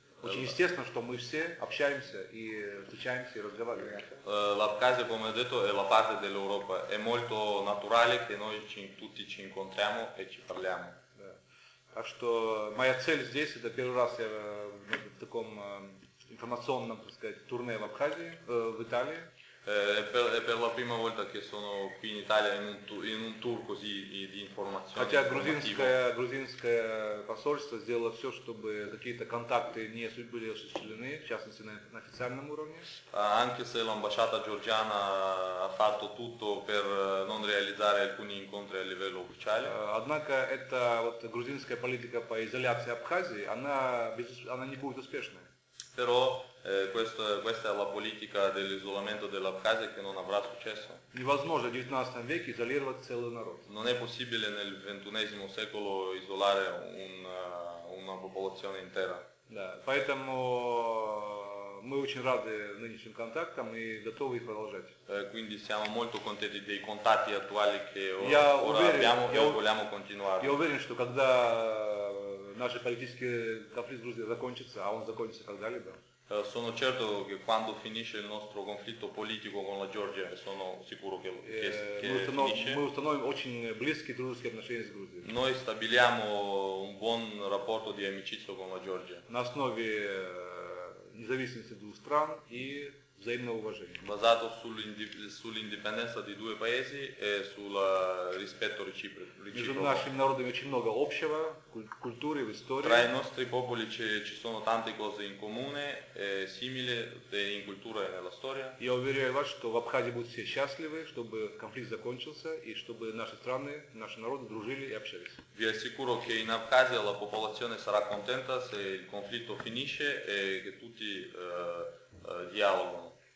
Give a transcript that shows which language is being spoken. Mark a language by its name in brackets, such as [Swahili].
[Russian] Очень естественно, что мы все общаемся и встречаемся и разговариваем. [Italian] L'Abkhazia, come ho detto, è la parte dell'Europa. È molto naturale che noi ci, tutti ci incontriamo e ci parliamo. [Russian] Так что моя цель здесь, это первый раз я в таком информационном, так сказать, турне в Абхазии, в Италии. [Italian] Per la prima volta che sono qui in Italia in un tour così di informazione. [Russian] Хотя грузинское посольство сделало все, чтобы какие-то контакты не были осуществлены, в частности на официальном уровне. [Italian] Anche se l'ambasciata georgiana ha fatto tutto per non realizzare alcuni incontri a livello ufficiale. [Russian] Однако эта вот грузинская политика по изоляции Абхазии, она не будет успешной. [Italian] Però questa è la politica dell'isolamento dell'Abkhazia che non avrà successo. [Russian] Невозможно в 19 веке изолировать целый народ. [Italian] Non è possibile nel 21 secolo isolare una popolazione intera. [Russian] Да, поэтому мы очень рады нынешним контактам и готовы их продолжать. [Italian] Quindi siamo molto contenti dei contatti attuali che abbiamo e vogliamo continuare. [Russian] Я уверен, что когда наши политические конфликты в Грузии закончатся, а он закончится когда-либо. [Italian] Sono certo che quando finisce il nostro conflitto politico con la Georgia, sono sicuro che finisce. [Russian] Мы установим очень близкие дружеские отношения с Грузией. [Italian] Noi stabiliamo un buon rapporto di amicizia con la Georgia. [Russian] На основе независимости двух стран и взаимного уважения. [Italian] Basato sull'indipendenza di due paesi e sul rispetto reciproco. [Russian] Между нашими народами очень много общего, культуры, в истории. [Italian] Tra i nostri popoli ci sono tante cose in comune, simili in cultura e nella storia. [Russian] Я уверяю вас, что в Абхазии будут все счастливы, чтобы конфликт закончился и чтобы наши страны, наши народы дружили и общались. [Italian] Vi assicuro che in Abkhazia la popolazione sarà contenta se il conflitto finisce e che tutti dialogo.